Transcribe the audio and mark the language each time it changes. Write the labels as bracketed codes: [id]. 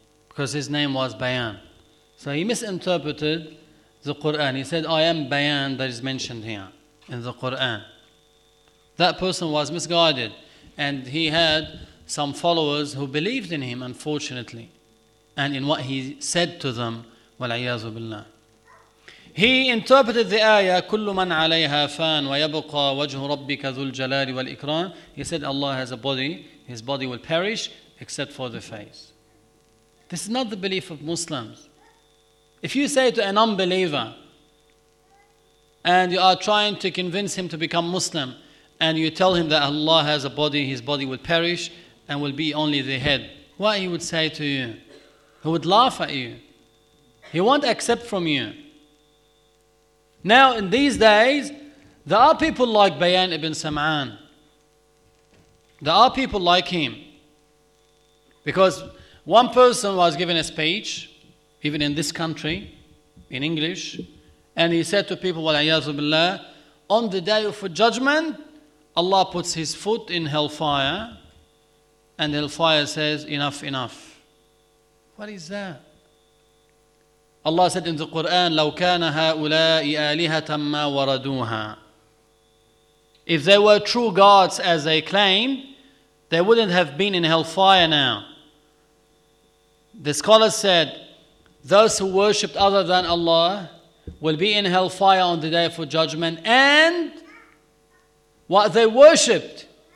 [en] Because his name was Bayan. So he misinterpreted the Quran. He said, I am Bayan that is mentioned here in the Quran. That person was misguided, and he had some followers who believed in him, unfortunately, and in what he said to them. [ar] وَالْعِيَاذُ بِاللَّهِ. [en] He interpreted the ayah, [ar] كُلُّ مَنْ عَلَيْهَا فَانْ وَيَبْقَى وَجْهُ رَبِّكَ ذُو الْجَلَالِ وَالْإِكْرَامِ. [en] He said, Allah has a body, his body will perish except for the face. This is not the belief of Muslims. If you say to an unbeliever, and you are trying to convince him to become Muslim, and you tell him that Allah has a body, his body will perish and will be only the head, what he would say to you? He would laugh at you. He won't accept from you. Now, in these days, there are people like Bayan ibn Sam'an. There are people like him. Because one person was given a speech, even in this country, in English, and he said to people, [ar] وَالْعِيَاذُ بِاللَّهِ, [en] on the day of judgment, Allah puts his foot in hellfire, and hellfire says, enough, enough. What is that? Allah said in the Quran, [ar] لَوْ كَانَ هَؤُلَاءِ آلِهَةً مَا وَرَدُوهَا. [en] If they were true gods as they claim, they wouldn't have been in hellfire now. The scholars said, those who worshipped other than Allah will be in hellfire on the day of judgment, and what they worshipped.